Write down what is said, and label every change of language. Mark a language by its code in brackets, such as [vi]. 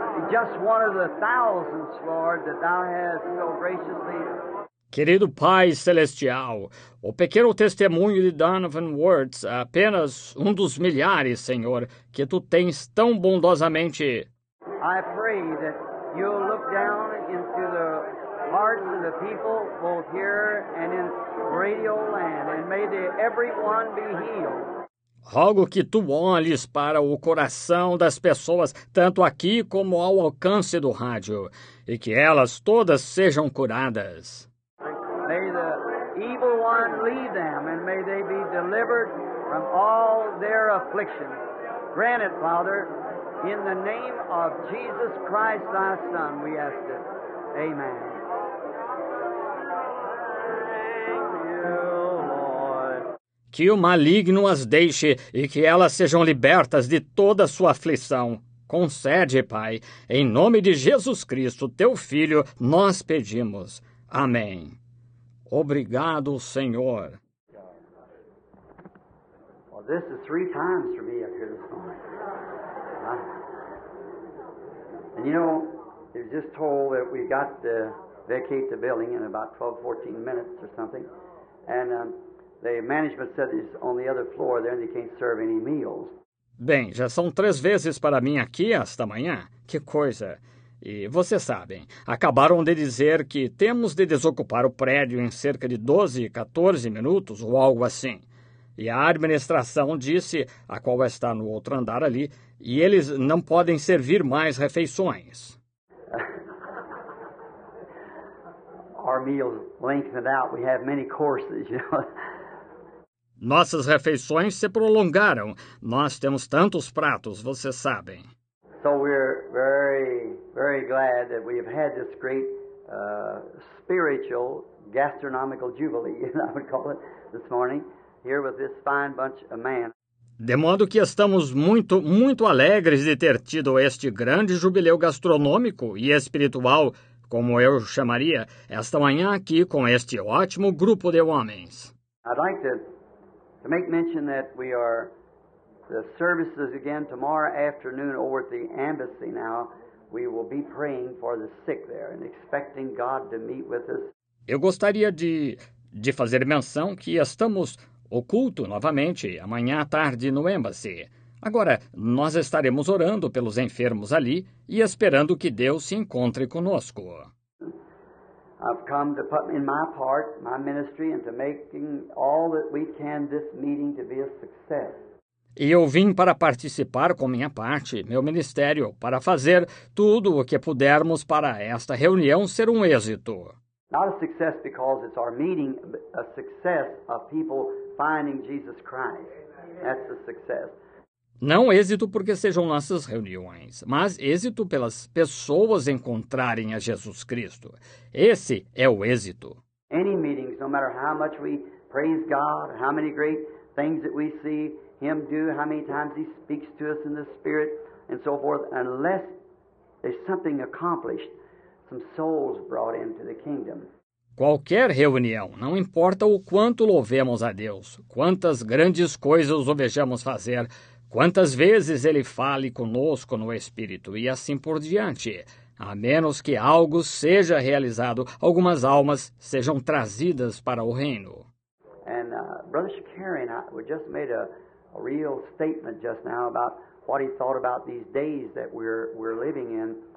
[en] Just one of the thousands, Lord, that thou hast so graciously... [pt] Querido Pai Celestial, o pequeno testemunho de Donovan Wirtz é apenas um dos milhares, Senhor, que Tu tens tão bondosamente. [en] I pray that you'll look down into the hearts of the people, both here and in Radio Land, and may everyone be healed. [pt] Rogo que Tu olhes para o coração das pessoas, tanto aqui como ao alcance do rádio, e que elas todas sejam curadas. [en] May the evil one leave them, and may they be delivered from all their afflictions. Grant it, Father, in the name of Jesus Christ, thy Son, we ask it. Amen. Thank you, Lord. [pt] Que o maligno as deixe e que elas sejam libertas de toda sua aflição. Concede, Pai, em nome de Jesus Cristo, teu Filho, nós pedimos. Amém. Obrigado, Senhor. [en] Well, this is three times for me up here this morning. And you know, it was just told that we got to vacate the building in about 12, 14 minutes or something. And The management said he's on the other floor there and he can't serve any meals. [pt] Bem, já são três vezes para mim aqui esta manhã. Que coisa. E vocês sabem, acabaram de dizer que temos de desocupar o prédio em cerca de 12, 14 minutos ou algo assim. E a administração disse, a qual está no outro andar ali, e eles não podem servir mais refeições. [en] Our meals lengthened out. We have many courses, you know. [pt] Nossas refeições se prolongaram. Nós temos tantos pratos, vocês sabem. [en] So we're very, very glad that we have had this great spiritual gastronomical jubilee, as I would call it, this morning, here with this fine bunch of men. [pt] De modo que estamos muito, muito alegres de ter tido este grande jubileu gastronômico e espiritual, como eu chamaria, esta manhã aqui com este ótimo grupo de homens. [en] I'd like to make mention that we are the services again tomorrow afternoon over at the embassy now. We will be praying for the sick there and expecting God to meet with us. [pt] Eu gostaria de fazer menção que estamos o culto novamente amanhã à tarde no embassy. Agora, nós estaremos orando pelos enfermos ali e esperando que Deus se encontre conosco. [en] I've come to put in my part, my ministry, and to making all that we can this meeting to be a success. [pt] E eu vim para participar com minha parte, meu ministério, para fazer tudo o que pudermos para esta reunião ser um êxito. [en] Not a success because it's our meeting, a success of people finding Jesus Christ. That's the success. [pt] Não êxito porque sejam nossas reuniões, mas êxito pelas pessoas encontrarem a Jesus Cristo. Esse é o êxito. [en] Any meetings, no matter how much we praise God, how many great things that we see Him do, how many times He speaks to us in the Spirit, and so forth, unless there's something accomplished, some souls brought into the kingdom. [pt] Qualquer reunião, não importa o quanto louvemos a Deus, quantas grandes coisas o vejamos fazer, quantas vezes Ele fale conosco no Espírito e assim por diante, a menos que algo seja realizado, algumas almas sejam trazidas para o reino. [en] And Brother Shakarian, we just made a real statement just now about what he thought about these days that we're living in.